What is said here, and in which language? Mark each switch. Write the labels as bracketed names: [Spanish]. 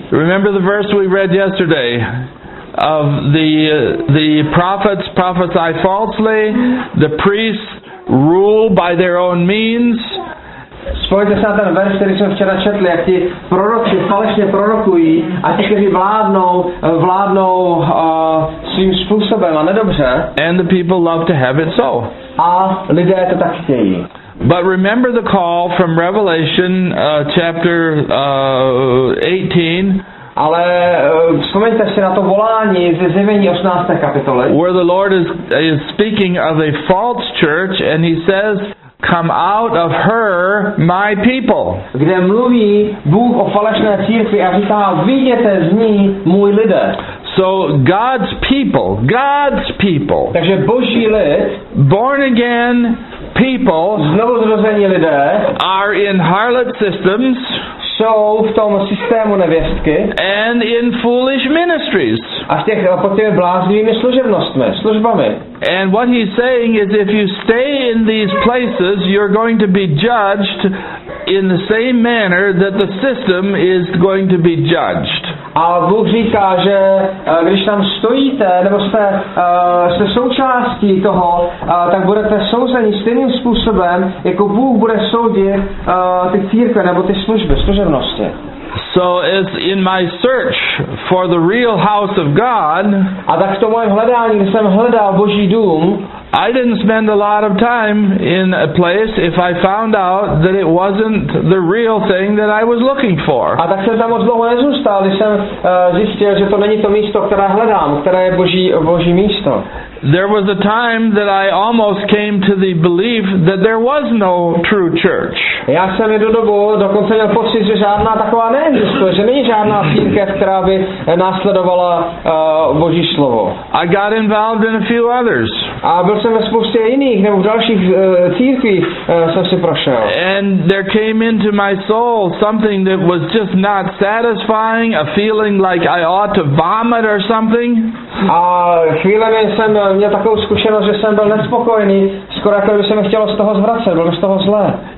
[English] Remember the verse we read yesterday of the prophets prophesy falsely, the priests rule by their own means. [Czech] Spojte se na ten verš, který jsme včera četli, jak ti proroci falešně prorokují a ti, kteří vládnou svým způsobem a nedobře. [English] And the people love to have it so. [Czech] A lidé to tak chtějí. [English] But remember the call from Revelation chapter 18. [Czech] Ale vzpomeňte si na to volání ze Zjevení 18. kapitole. [English] Where the Lord is speaking of a false church and he says, come out of her, my people. [Czech] Kde mluví Bůh o falešné církvi a říká, vyjděte z ní, můj lidé. [English] So God's people. [Czech] Takže Boží lid, [English] born again people, [Czech] znovu zrození lidé, [English] are in harlot systems, [Czech] jsou v tom systému nevěstky, [English] and in foolish ministries, [Czech] a v těch potřebujeme bláznivými služebnostmi, službami. [English] And what he's saying is, if you stay in these places, you're going to be judged in the same manner that the system is going to be judged. [Czech] A Bůh říká, že když tam stojíte, nebo jste se součástí toho, tak budete souzeni stejným způsobem, jako Bůh bude soudit ty církve nebo ty služby, služebnosti. [English] So as in my search for the real house of God, [Czech] a tak v tom mojem hledání, když jsem hledal Boží dům, [English] I didn't spend a lot of time in a place if I found out that it wasn't the real thing that I was looking for. [Czech] A tak jsem tam moc dlouho nezůstal, když jsem zjistil, že to není to místo, které hledám, které je Boží místo. [English] There was a time that I almost came to the belief that there was no true church. [Czech] Já jsem jednu dobu dokonce měl pocit, že žádná taková neexistuje, že není žádná církev, která by následovala Boží slovo. [English] I got involved in a few others. [Czech] A byl jsem ve spoustě jiných nebo v dalších církvích jsem si prošel. [English] And there came into my soul something that was just not satisfying, a feeling like I ought to vomit or something. [Czech] A chvílemi jsem měl takovou zkušenost, že jsem byl nespokojený, skoro jako by se mi chtělo z toho zvracet, bylo z toho zlé.